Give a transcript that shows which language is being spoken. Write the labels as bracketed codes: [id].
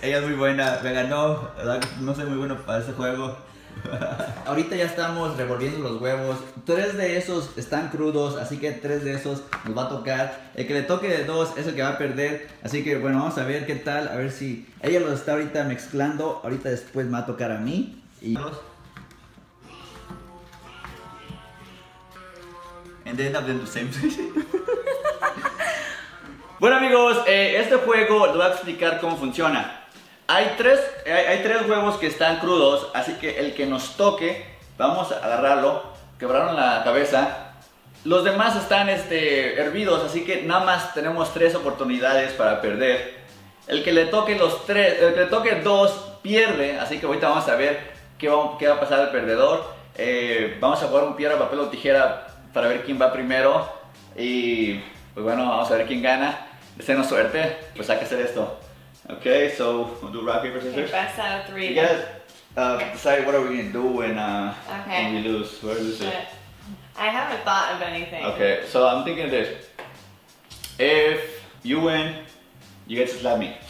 [es] Ella es muy buena, me ganó. No soy muy bueno para este juego. Ahorita ya estamos revolviendo los huevos. 3 de esos están crudos, así que 3 de esos nos va a tocar. El que le toque de 2 es el que va a perder. Así que, bueno, vamos a ver qué tal. A ver si ella los está ahorita mezclando. Ahorita después me va a tocar a mí. [en] Y and they end up doing the same thing. [es] Bueno, amigos, este juego les voy a explicar cómo funciona. Hay tres huevos que están crudos, así que el que nos toque, vamos a agarrarlo. Quebraron la cabeza. Los demás están hervidos, así que nada más tenemos 3 oportunidades para perder. El que le toque los 3, el que le toque 2 pierde, así que ahorita vamos a ver qué va a pasar al perdedor. Vamos a jugar un piedra, papel o tijera para ver quién va primero. Y pues bueno, vamos a ver quién gana. Deseenos suerte, pues hay que hacer esto. [en] Ok, so, we'll do rock, paper, scissors. Okay, best out of 3. You gotta decide what are we gonna do when you lose. Where is it? I haven't thought of anything. Okay, so I'm thinking this. If you win, you get to slap me.